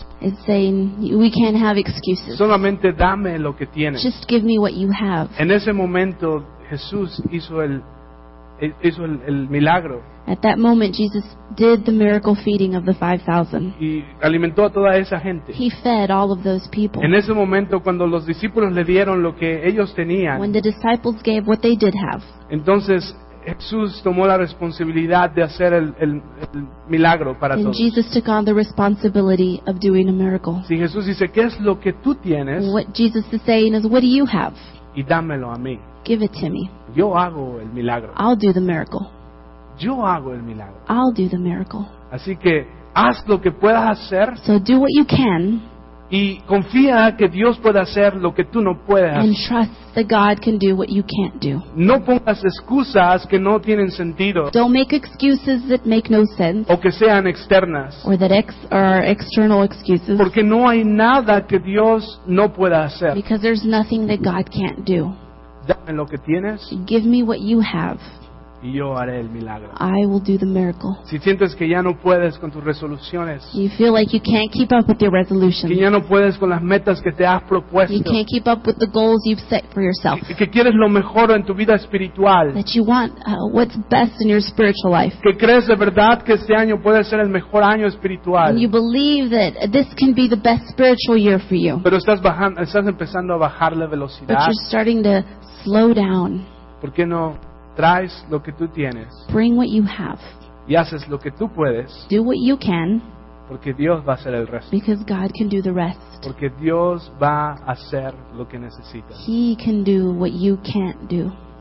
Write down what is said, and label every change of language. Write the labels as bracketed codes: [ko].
[en] It's saying we can't have excuses. [es] Solamente dame lo que tienes. [en] Just give me what you have. [es] En ese momento Jesús hizo el milagro. [en] At that moment Jesus did the miracle feeding of the 5,000. [es] Y alimentó a toda esa gente. [en] He fed all of those people. [es] En ese momento cuando los discípulos le dieron lo que ellos tenían. [en] When the disciples gave what they did have. [es] Entonces Jesús tomó la responsabilidad de hacer el milagro para [en] and [es] todos. [en] Jesus took on the responsibility of doing a miracle. [es] Si Jesús dice, ¿qué es lo que tú tienes? [en] What Jesus is saying is, what do you have? [es] Y dámelo a mí. [en] Give it to me. [es] Yo hago el milagro. [en] I'll do the miracle. [es] Yo hago el milagro. [en] I'll do the miracle. [es] Así que haz lo que puedas hacer. [en] So do what you can. [es] Y confía que Dios puede hacer lo que tú no puedes. [en] And trust that God can do what you can't do. [es] No pongas excusas que no tienen sentido. [en] Don't make excuses that make no sense. [es] O que sean externas. [en] Or that are external excuses. [es] Porque no hay nada que Dios no pueda hacer. [en] Because there's nothing that God can't do. [es] Dame lo que tienes. [en] Give me what you have. [es] Y yo haré el milagro. [en] I will do the miracle. [es] Si sientes que ya no puedes con tus resoluciones. [en] You feel like you can't keep up with your resolutions. [es] Que ya no puedes con las metas que te has propuesto. [en] You can't keep up with the goals you've set for yourself. [es] Que quieres lo mejor en tu vida espiritual. [en] That you want what's best in your spiritual life. [es] Que crees de verdad que este año puede ser el mejor año espiritual. [en] And you believe that this can be the best spiritual year for you. [es] Pero estás empezando a bajar la velocidad. [en] But you're starting to slow down. [es] ¿Por qué no traes lo que tú tienes? [en] Bring what you have. [es] Y haces lo que tú puedes. [en] Do what you can. [es] Porque Dios va a hacer el resto. [en] Because God can do the rest. [es] Porque Dios va a hacer lo que necesitas. [en] He can do what you can't do.